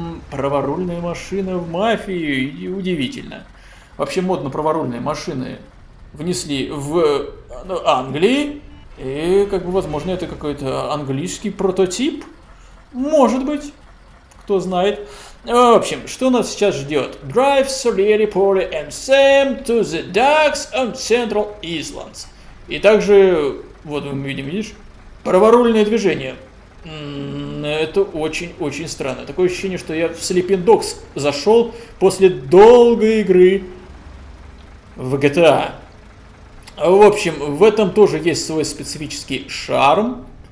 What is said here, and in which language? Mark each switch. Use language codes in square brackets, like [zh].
[ru] Праворульная машина в мафии. И удивительно. Вообще модно праворульные машины внесли в Англии. И, как бы, возможно, это какой-то английский прототип. Может быть. Кто знает. В общем, что нас сейчас ждет? [en] Drive Sir Polly and Sam to the docks on Central Islands. [ru] И также, вот мы видим, видишь, праворульное движение. Это очень-очень странно. Такое ощущение, что я в Sleeping Dogs зашел после долгой игры в GTA. В общем, в этом тоже есть свой специфический шарм.